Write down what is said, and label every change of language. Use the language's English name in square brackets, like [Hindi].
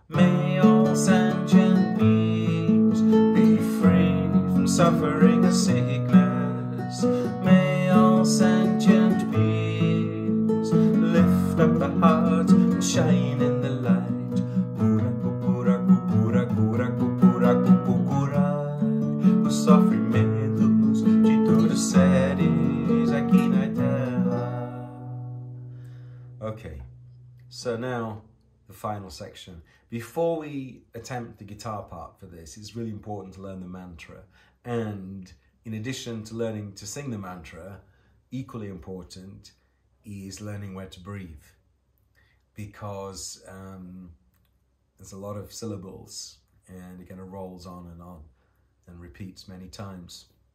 [English] May all sentient beings be free from suffering and sickness. May all sentient beings lift up the heart and shine in the light. Cura, cucura, cucura, cura, cucura, cucura. [Portuguese] Os sofrimentos de todos seres aqui na terra. [English] Okay. So now, the final section. Before we attempt the guitar part for this, it's really important to learn the mantra. And in addition to learning to sing the mantra, equally important is learning where to breathe. Because there's a lot of syllables and it kind of rolls on and repeats many times.